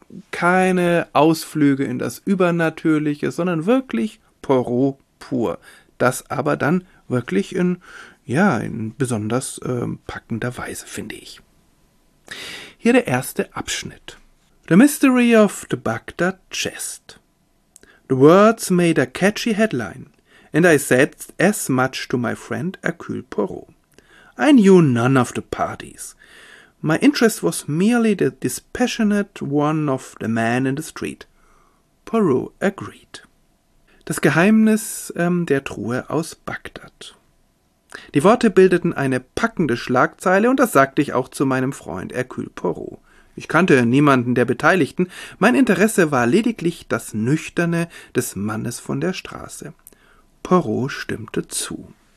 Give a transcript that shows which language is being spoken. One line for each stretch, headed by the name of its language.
German: Keine Ausflüge in das Übernatürliche, sondern wirklich Poirot pur. Das aber dann wirklich in besonders packender Weise, finde ich. Hier der erste Abschnitt.
English: The Mystery of the Bagdad Chest. The words made a catchy headline, and I said as much to my friend Hercule Poirot. I knew none of the parties. My interest was merely the dispassionate one of the man in the street. Poirot agreed.
German: Das Geheimnis der Truhe aus Bagdad. Die Worte bildeten eine packende Schlagzeile, und das sagte ich auch zu meinem Freund Hercule Poirot. Ich kannte niemanden der Beteiligten, mein Interesse war lediglich das Nüchterne des Mannes von der Straße. Poirot stimmte zu.